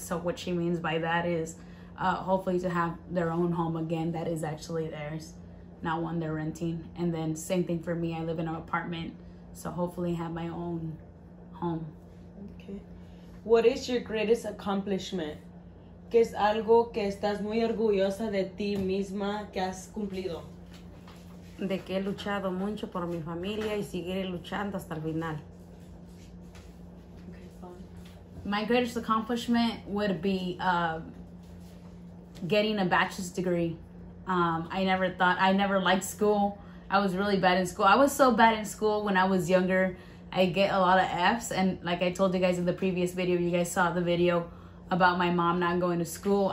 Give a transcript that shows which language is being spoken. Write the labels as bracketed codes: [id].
[en] So what she means by that is hopefully to have their own home again that is actually theirs. Not one they're renting. And then same thing for me, I live in an apartment, so hopefully have my own home. Okay. What is your greatest accomplishment? [es] ¿Qué es algo que estás muy orgullosa de ti misma que has cumplido? De que he luchado mucho por mi familia y seguiré luchando hasta el final. [en] Okay, fine. My greatest accomplishment would be getting a bachelor's degree. I never liked school. I was really bad in school. I was so bad in school when I was younger. I get a lot of F's. And like I told you guys in the previous video, you guys saw the video about my mom not going to school.